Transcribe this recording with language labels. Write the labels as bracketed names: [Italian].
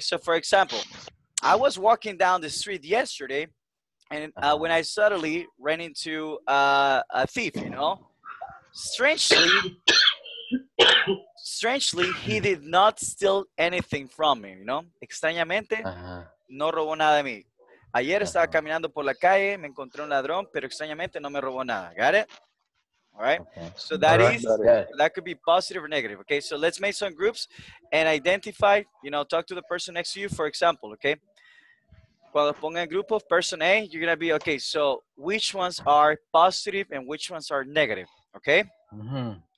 [English] So, for example, I was walking down the street yesterday, and when I suddenly ran into a thief, you know? Strangely, he did not steal anything from me, you know? [Spanish] Extrañamente. Uh-huh. No robó nada de mí. Ayer estaba caminando por la calle, me encontré un ladrón, pero extrañamente no me robó nada. [English] Got it? All right? Okay. So that could be positive or negative. Okay, so let's make some groups and identify, you know, talk to the person next to you, for example, okay? [Spanish] Cuando ponga en grupo, [English] person A, you're going to be, okay, so which ones are positive and which ones are negative, okay? Mm-hmm.